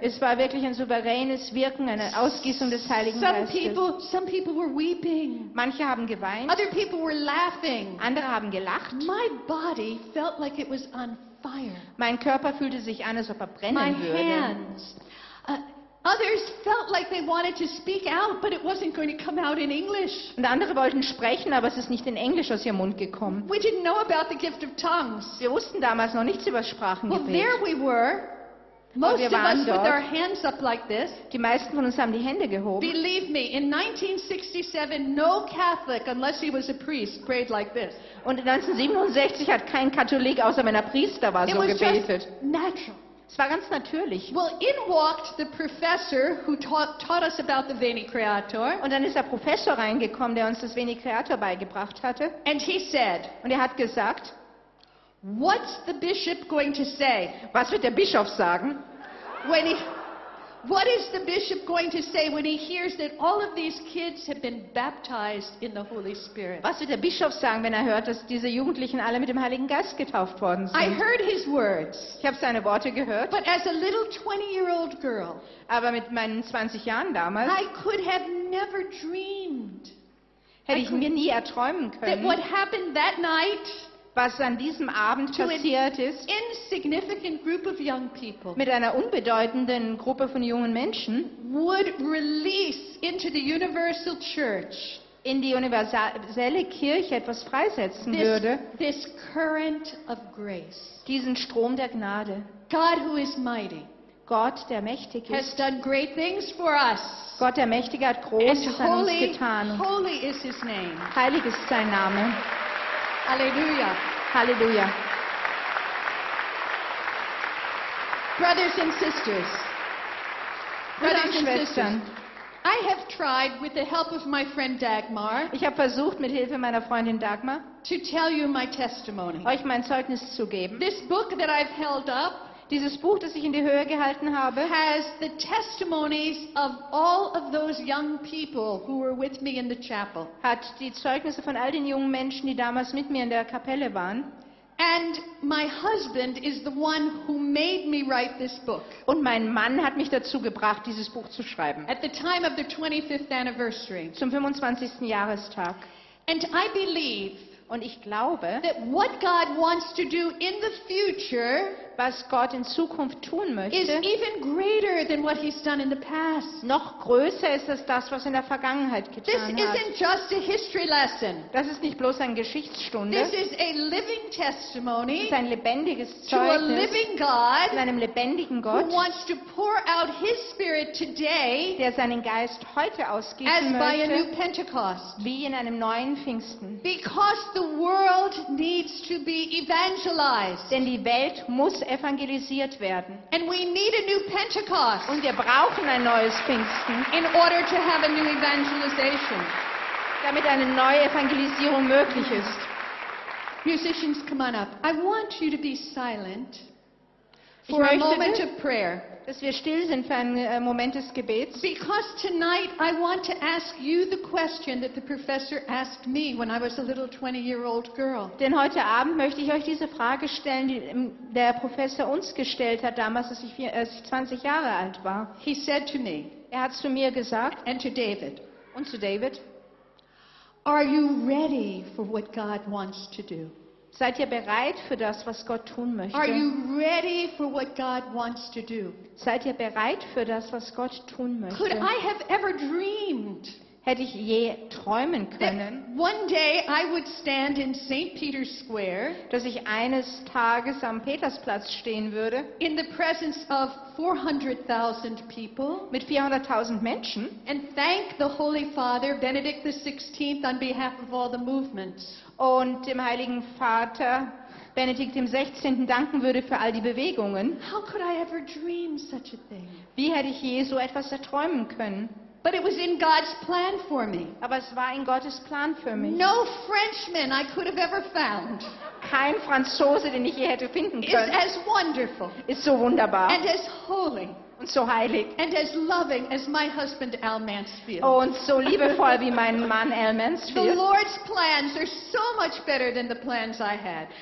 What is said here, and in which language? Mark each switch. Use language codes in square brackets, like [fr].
[de] Es war wirklich ein souveränes Wirken, eine Ausgießung des Heiligen [en] some [de] Geistes. [en] Some people were weeping. [de] Manche haben geweint. [en] Other people were laughing. [de] Andere haben gelacht. [en] My body felt like it was on fire. [de] Mein Körper fühlte sich an, als ob er brennen [en] My [de] würde. [en] Hands. Others felt like they wanted to speak out, but it wasn't going to come out in English. [de] Und andere wollten sprechen, aber es ist nicht in Englisch aus ihrem Mund gekommen. [en] We didn't know about the gift of tongues. [de] Wir wussten damals noch nichts über Sprachengebet. [en] Well, there we were. Most of us with our hands up like this. [de] Die meisten von uns haben die Hände gehoben. [en] Believe me, in 1967, no Catholic, unless he was a priest, prayed like this. [de] Und 1967 hat kein Katholik, außer wenn er Priester war, so gebetet. [en] Natural. [de] Es war ganz natürlich. [en] Well, in walked the professor who taught us about the Veni Creator. [de] Und dann ist der Professor reingekommen, der uns das Veni Creator beigebracht hatte. [en] And he said, [de] und er hat gesagt, [en] what's the bishop going to say? [de] Was wird der Bischof sagen? [en] What is the bishop going to say when he hears that all of these kids have been baptized in the Holy Spirit? [de] Was wird der Bischof sagen, wenn er hört, dass diese Jugendlichen alle mit dem Heiligen Geist getauft worden sind? [en] I heard his words. [de] Ich habe seine Worte gehört. [en] But as a little 20-year-old girl, [de] Aber mit meinen 20 Jahren damals, [en] I could have never dreamed. [de] Hätte ich mir nie erträumen können, [en] that what happened that night, [de] was an diesem Abend passiert ist, [en] insignificant group of young people, [de] mit einer unbedeutenden Gruppe von jungen Menschen, [en] would release into the universal church, [de] in die universelle Kirche etwas freisetzen würde, [en] this current of grace, [de] diesen Strom der Gnade. [en] God who is mighty, [de] Gott, der mächtig ist, [en] has done great things for us. [de] Gott, der Mächtige, hat Großes an uns getan. [en] Holy is his name. [de] Heilig ist sein Name. Halleluja. Halleluja. [en] Brothers and sisters. Brothers and [de] Schwestern. [en] I have tried with the help of my friend Dagmar. [de] Ich habe versucht mit Hilfe meiner Freundin Dagmar [en] to tell you my testimony. [de] Euch mein Zeugnis zu geben. [en] This book that I've held up, [de] dieses Buch, das ich in die Höhe gehalten habe, [en] has the testimonies of all of those young people who were with me in the chapel. [de] Hat die Zeugnisse von all den jungen Menschen, die damals mit mir in der Kapelle waren. [en] And my husband is the one who made me write this book. [de] Und mein Mann hat mich dazu gebracht, dieses Buch zu schreiben. [en] At the time of the 25th anniversary. [de] Zum 25. Jahrestag. [en] And I believe, [de] und ich glaube, [en] that what God wants to do in the future, [de] was Gott in Zukunft tun möchte, [en] is even greater than what he's done in the past. [de] Noch größer ist als das, was in der Vergangenheit getan [en] this [de] hat. [en] This isn't just a history lesson. [de] Das ist nicht bloß eine Geschichtsstunde. [en] This is a living testimony. [de] Das ist ein lebendiges Zeugnis. [en] To a living God, [de] in einem lebendigen Gott, [en] who wants to pour out his spirit today, [de] der seinen Geist heute ausgießen [en] as [de] möchte, [en] by a new Pentecost. [de] Wie in einem neuen Pfingsten. [en] Because the world needs to be evangelized. [de] Denn die Welt muss evangelisiert werden. [en] And we need a new Pentecost, [de] und wir brauchen ein neues Pfingsten, [en] in order to have a new evangelization, [de] damit eine neue Evangelisierung möglich ist. [en] Musicians, come on up. I want you to be silent for a moment of prayer, [de] dass wir still sind für einen Moment des Gebets. [en] Because tonight I want to ask you the question that the professor asked me when I was a little 20-year-old girl. [de] Denn heute Abend möchte ich euch diese Frage stellen, die der Professor uns gestellt hat, damals, als ich 20 Jahre alt war. [en] He said to me, [de] er hat zu mir gesagt, [en] and to David, [de] und zu David, [en] are you ready for what God wants to do? [de] Seid ihr bereit für das, was Gott tun möchte? [en] Are you ready for what God wants to do? [de] Seid ihr bereit für das, was Gott tun möchte? [en] Could I have ever dreamed, [de] hätte ich je träumen können, [en] one day I would stand in St. Peter's Square, [de] dass ich eines Tages am Petersplatz stehen würde, [en] in the presence of 400,000 people, [de] mit 400,000 Menschen, [en] and thank the Holy Father Benedict the 16th on behalf of all the movements, [de] und dem Heiligen Vater Benedikt dem 16. danken würde für all die Bewegungen. [en] How could I ever dream such a thing? [de] Wie hätte ich je so etwas erträumen können? [en] But it was in God's plan for me. [de] Aber es war in Gottes Plan für mich. [en] No Frenchman I could have ever found. [de] Kein Franzose, den ich je hätte finden können. [en] Is as wonderful. [de] Ist so wunderbar. [en] And as holy. [de] Und so heilig. [en] And as loving as my husband Al Mansfield. [de] Oh, und so liebevoll wie mein Mann Al Mansfield. [en] The Lord's plans are so much better than the plans I had.